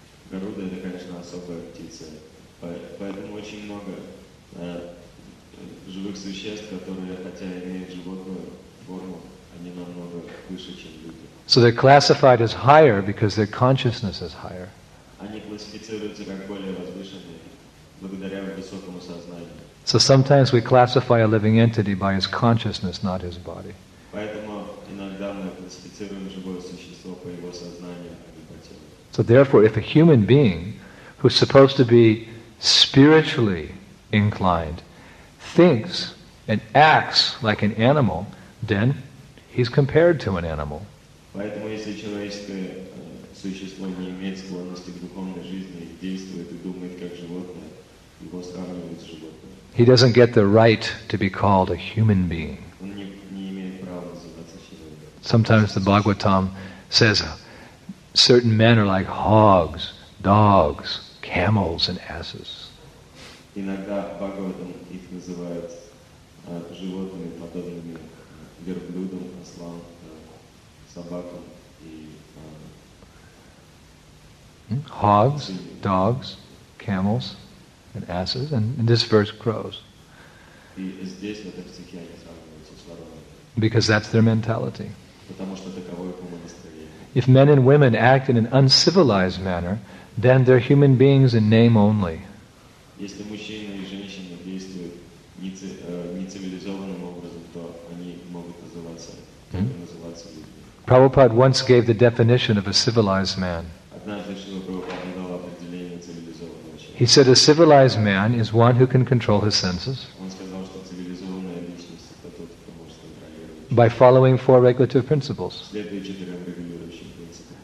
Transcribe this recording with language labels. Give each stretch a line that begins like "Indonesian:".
English: Garuda is, of course, a special species. But there are very many
Russian: живых существ, которые хотя имеют животную форму, они намного выше, чем люди.
English: So they're classified as higher because their consciousness is higher.
Russian: Они классифицируются как более возвышенные благодаря высокому сознанию.
English: So sometimes we classify a living entity by his consciousness, not his body.
Russian: Поэтому иногда мы классифицируем живое существо по его сознанию, а не по телу.
English: So therefore, if a human being who's supposed to be spiritually inclined thinks and acts like an animal, then he's compared to an animal.
Russian: Поэтому если человеческое существо не имеет склонности к духовной жизни, действует и думает как животное, его сравнивают с животным.
English: He doesn't get the right to be called a human being.
Russian: Он не имеет права называться человеком.
English: Sometimes the Bhagavatam says certain men are like hogs, dogs, camels, and asses.
Russian: Иногда Бхагаватам их называют животными, подобными верблюдам, ослам, собакам и...
English: Hogs, dogs, camels, and asses, and in this verse, crows.
Russian: И здесь, в этом стихе, они сравниваются с воронами.
English: Because that's their mentality.
Russian: Потому что таково их умонастроение.
English: If men and women act in an uncivilized manner, then they're human beings in name only.
Russian: Если мужчина и женщина действуют нецивилизованным образом, то они могут называться, называться людьми.
English: Prabhupada once gave the definition of a civilized man.
Russian: Однажды Шрила Прабхупада дал определение цивилизованного человека.
English: He said a civilized man is one who can control his senses.
Russian: Он сказал, что цивилизованная личность — это тот, кто может контролировать.
English: By following four regulative principles.
Russian: Следуя четырем регулирующим принципам.